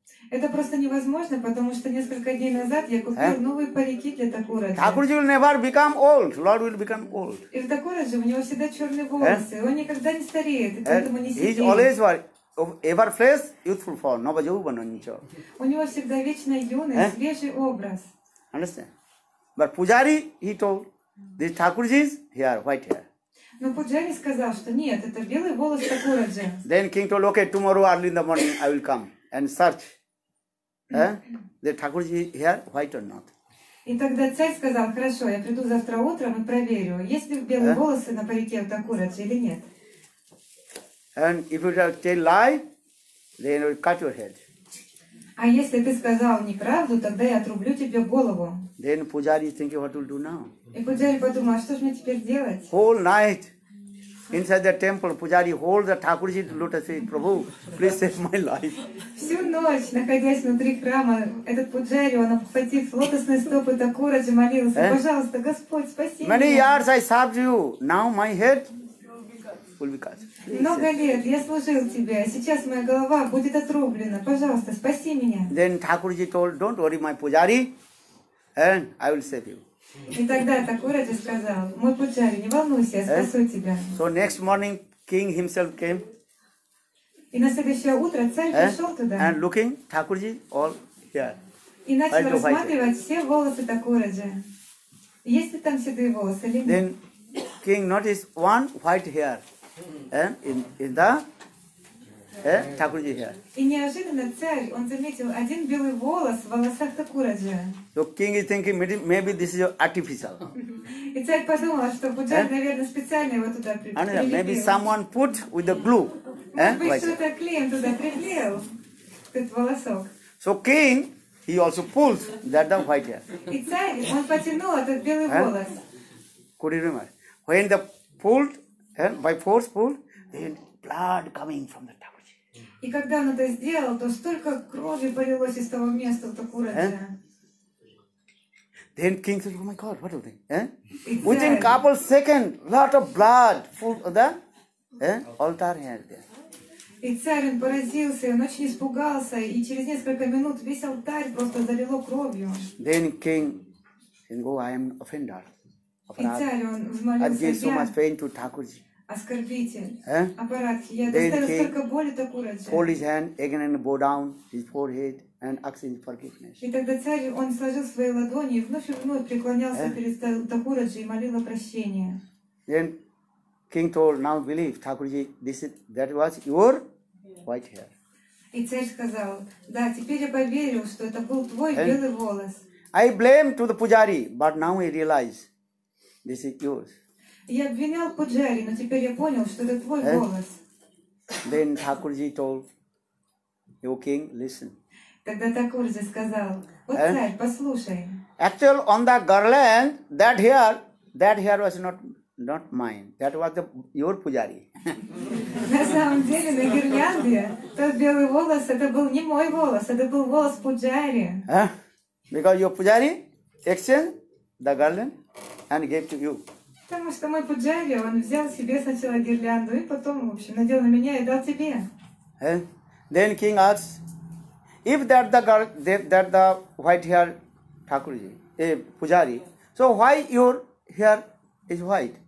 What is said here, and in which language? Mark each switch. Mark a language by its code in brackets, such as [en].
[ru] Это просто невозможно, потому что несколько дней назад я купил новые парики для Такураджи. [en] Такураджи will never become old. Lord will become old. [ru] И в Такураджи у него всегда черные волосы. Он никогда не стареет, и поэтому не сидит. [en] He's always what? Ever fresh, youthful form. Nova jovana [ru] ничего. У него всегда вечная юность, свежий образ. [en] Understand? But Pujari, he told, this Thakurji is hair, white hair. [ru] Но Пуджари сказал, что нет, это белый волос Такураджи. [en] Then king told, okay, tomorrow early in the morning I will come and search. The Thakurji hair white or not? [ru] И тогда царь сказал, хорошо, я приду завтра утром и проверю, есть ли белые волосы на парике у Такураджи или нет. [en] And if you tell lie, then we'll cut your head. [ru] А если ты сказал неправду, тогда я отрублю тебе голову. [en] Then Pujari thinking what will do now? [ru] И Пуджари подумал, что же мне теперь делать? [en] Whole night inside the temple, Pujari hold the Thakurji lotus feet, Prabhu, please save my life. [ru] Всю ночь, находясь внутри храма, этот Пуджари, он обхватив лотосные стопы Такураджи, молился, пожалуйста, Господь, спаси меня. [en] Many years I served you, now my head will be cut. [ru] Много лет я служил тебе, сейчас моя голова будет отрублена, пожалуйста, спаси меня. [en] Then Thakurji told, don't worry, my Pujari, and I will save you. [ru] И тогда Такураджи сказал, мой Пуджари, не волнуйся, я спасу тебя. [en] So next morning, king himself came. [ru] И на следующее утро царь пришел туда. [en] And looking, Thakurji, all here. [ru] И начал рассматривать все волосы Такураджи. Есть ли там седые волосы или нет? [en] Then king noticed one white hair in the Такурджи here. [ru] И неожиданно царь, он заметил один белый волос в волосах Такурджи. [en] The king is thinking maybe this is artificial. [ru] И царь подумал, что Пуджай, наверное, специально его туда прилепил. [en] Maybe someone put with the glue. [ru] Может быть, кто-то клеем туда приклеил этот волосок. [en] So king, he also pulls that the white hair. [ru] И царь, он потянул этот белый волос. [en] Could you remember? When the pulled, by force pulled, then blood coming from the Thakurji. [ru] И когда он это сделал, то столько крови полилось из того места в Такурджи. [en] Then king said, oh my god, what do you think? Within couple second, lot of blood full of the altar here. There. [ru] И царь, он поразился, он очень испугался, и через несколько минут весь алтарь просто залило кровью. [en] Then king said, oh, I am offender. [ru] Аппарат. И царь, он взмолился, [en] so [ru] я оскорбитель, аппаратхи, я достаю столько боли Такурджи. [en] Hold his hand again and bow down his forehead and ask his forgiveness. [ru] И тогда царь, он сложил свои ладони вновь и вновь преклонялся перед Такурджи и молил о прощении. [en] Then king told, now believe, Thakurji, this is, that was your white hair. [ru] И царь сказал, да, теперь я поверил, что это был твой белый волос. [en] I blame to the pujari, but now I realize. This is yours. [ru] Я обвинял Пуджари, но теперь я понял, что это твой голос. [en] Then Thakurji told, "Your king, listen." [ru] Тогда Такурджи сказал, "Вот царь, послушай." [en] Actually, on the garland, that hair was not mine. That was your Pujari. [ru] На самом деле, на гирлянде тот белый волос, это был не мой волос, это был волос Пуджари. [en] Because your Pujari exchanged the garland. And gave to you. [ru] Потому что мой пуджари, он взял себе сначала гирлянду и потом, в общем, надел на меня и дал тебе. [en] Then king asks, if that the white hair Thakurji, pujari, so why your hair is white?